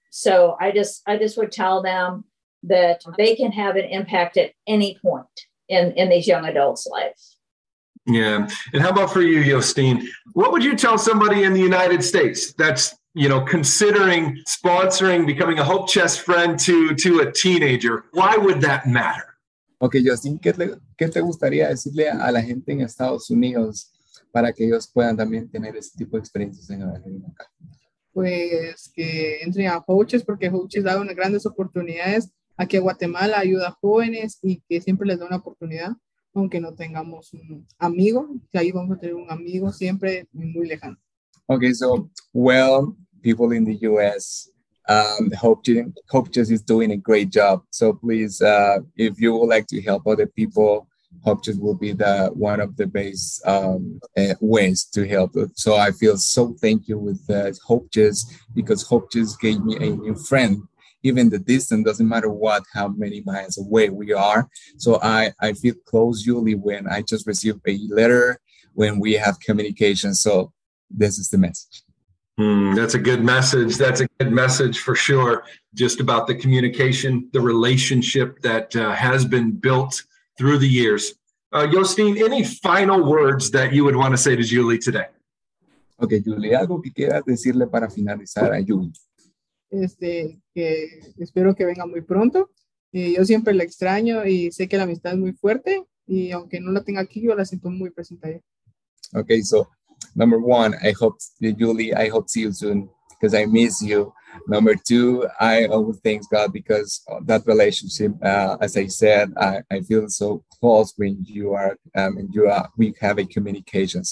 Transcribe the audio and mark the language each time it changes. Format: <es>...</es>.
<en>So I just would tell them that they can have an impact at any point in these young adults' lives. Yeah. And how about for you, Yostein? What would you tell somebody in the United States that's, you know, considering sponsoring, becoming a HopeChest friend to a teenager? Why would that matter?</en> <es>Okay, Yostein, ¿qué te gustaría decirle a la gente en Estados Unidos para que ellos puedan también tener ese tipo de experiencias en Argentina? Pues que entren a HopeChest, porque HopeChest da unas grandes oportunidades. Aquí a Guatemala ayuda a jóvenes y que siempre les da una oportunidad, aunque no tengamos un amigo, que ahí vamos a tener un amigo siempre muy lejano.</es> <en>Okay, so, well, people in the U.S., HopeChest is doing a great job. So please, if you would like to help other people, HopeChest will be the one of the best ways to help. So I feel so thankful with HopeChest, because HopeChest gave me a new friend. Even the distance doesn't matter what, how many miles away we are. So I feel close, Julie, when I just received a letter, when we have communication. So this is the message. That's a good message. That's a good message for sure. Just about the communication, the relationship that has been built through the years. Yostin, any final words that you would want to say to Julie today?</en> <es>Okay, Julie, algo que quieras decirle para finalizar a Julie. Que espero que venga muy pronto. Yo siempre la extraño y sé que la amistad es muy fuerte. Y aunque no la tenga aquí, yo la siento muy presente ahí.</es> <en>Okay, so number one, I hope Julie, I hope see you soon because I miss you. Number two, I always thank God because that relationship, as I said, I feel so close when you are we have a communication.</en>